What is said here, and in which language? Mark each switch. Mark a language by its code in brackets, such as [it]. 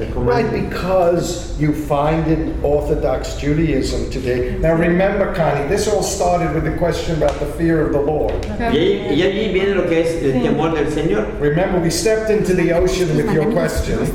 [en] Right, because you find it in Orthodox Judaism today. Now remember, Connie, this all started with the question about the fear of the Lord. [es] Y allí viene lo que es el temor del Señor. [en] Remember, we stepped into the ocean with your question.